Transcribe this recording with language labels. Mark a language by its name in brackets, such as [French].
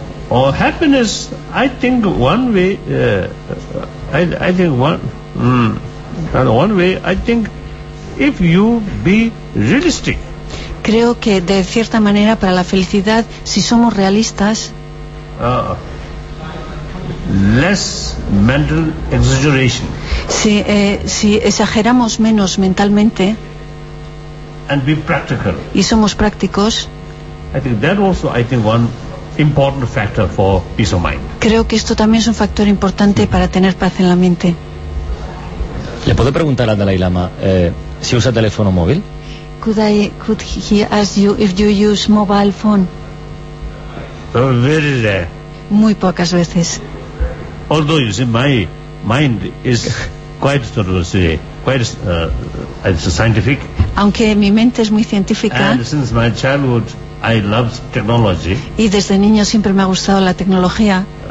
[English] Oh, happiness, I think one way, I think if you be realistic. [Spanish] Creo que de cierta manera para la felicidad, si somos realistas, [English] less mental exaggeration. [Spanish] Si exageramos menos mentalmente, [English] and be practical, [Spanish] y somos prácticos, [English] I think that also, I think one important factor for peace of mind. [Spanish] Creo que esto también es un factor importante para tener paz en la mente. ¿Le puedo preguntar a Dalai Lama si usa teléfono móvil? [English] Could he ask you if you use mobile phone? Very rare. [Spanish] Muy pocas veces. [English] Although you see my mind is quite sort of scientific. [Spanish] Aunque mi mente es muy científica. [English] And since my childhood I loved technology. [Spanish] Y desde niño siempre me ha gustado la tecnología.